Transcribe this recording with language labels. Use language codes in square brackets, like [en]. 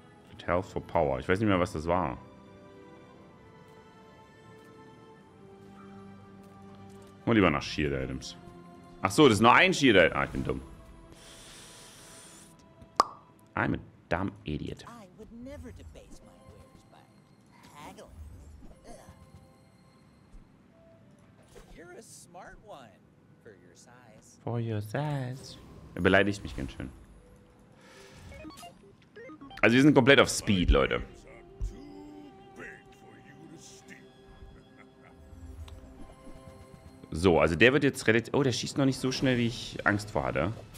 [en] With health for power. [de] Ich weiß nicht mehr, was das war. Mal lieber nach Shield Items. Ach so, das ist nur ein Shield Item. Ah, ich bin dumm. [en] I'm a dumb idiot. I would never debase my wares by haggling. You're a smart one for your size. For your size. [de] Er beleidigt mich ganz schön. Also wir sind komplett auf Speed, Leute. So, also der wird jetzt relativ... Oh, der schießt noch nicht so schnell, wie ich Angst vor hatte.